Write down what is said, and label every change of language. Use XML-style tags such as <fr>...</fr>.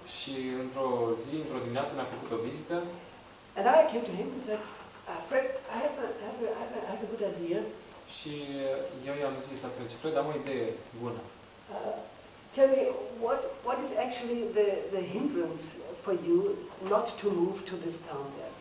<ro>Și într-o zi, într-o dimineață mi-a făcut o vizită.</ro> <en>And I came to him and said, Fred, I have a good idea.</en> <ro>Și eu i-am zis atunci, Fred, am o idee bună.</ro> <en>Tell me what is actually the hindrance for you not to move to this town there.</en>